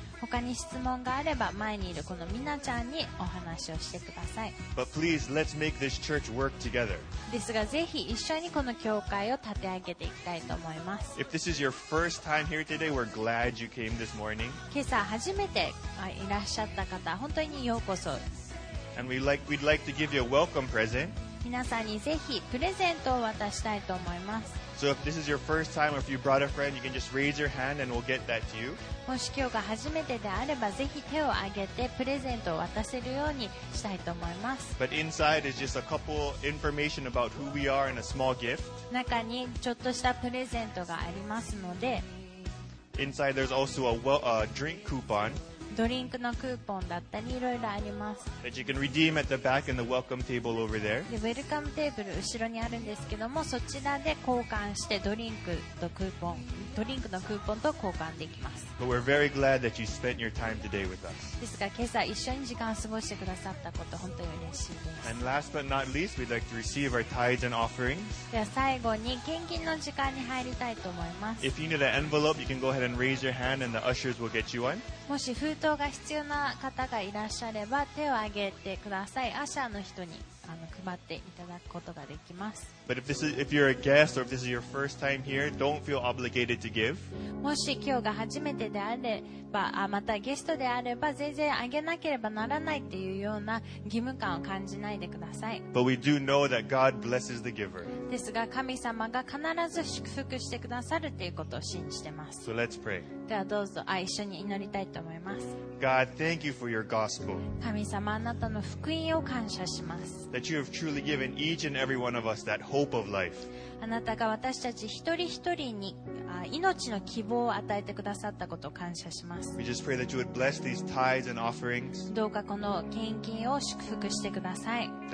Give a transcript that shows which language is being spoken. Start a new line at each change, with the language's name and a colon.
Japanese: 他に質問があれば前にいるこのミナちゃんにお話をしてください。
English: But please, let's make this church work together.
Japanese: ですがぜひ一緒にこの教会を立て上げていきたいと思います。
English: If this is your first time here today, we're glad you came this morning.
Japanese: 今朝初めていらっしゃった方、本当にようこそ。
English: And we'd like to give you a welcome present.
Japanese: 皆さんにぜひプレゼントを渡したいと思います。
English: So if this is your first time, or if you brought a friend, you can just raise your hand and we'll get that to you.
Japanese: もし今日が初めてであればぜひ手を挙げてプレゼントを渡せるようにしたいと思います。
English: But inside is just a couple information about who we are and a small gift.
Japanese: 中にちょっとしたプレゼントがありますので。
English: Inside there's also a drink coupon.
Japanese: ドリンクのクーポンだったりいろいろあります。
English: That you can redeem at the back in the welcome table over there.
Japanese: でウェルカムテーブル後ろにあるんですけどもそちらで交換してドリンクのクーポンと交換できます。
English: But we're very glad that you spent your time today with us.
Japanese: ですが今朝一緒に時間を過ごしてくださったこと本当に嬉しいです。
English: And last but not least, we'd like to receive our tithes and offerings.
Japanese: では最後に献金の時間に入りたいと思います。
English: If you need an envelope, you can go ahead and raise your hand and the ushers will get you one.
Japanese: もし封筒が必要な方がいらっしゃれば手を挙げてください。アシャーの人に配っていただくことができます。
English: But if you're a guest or if this is your first time here, don't feel obligated to give.
Japanese: もし今日が初めてであれば、またゲストであれば全然あげなければならないっていうような義務感を感じないでください。
English: But we do know that God blesses the giver.
Japanese: ですが神様が必ず祝福してくださるっていうことを信じてます。
English: So let's pray.
Japanese: ではどうぞ一緒に祈りたいと思います。
English: God, thank you for your gospel.
Japanese: 神様あなたの福音を感謝します。
English: That you have truly given each and every one of us that hope of life.
Japanese: あなたが私たち一人一人に命の希望を与えてくださったことを感謝します。どうかこの献金を祝福してください。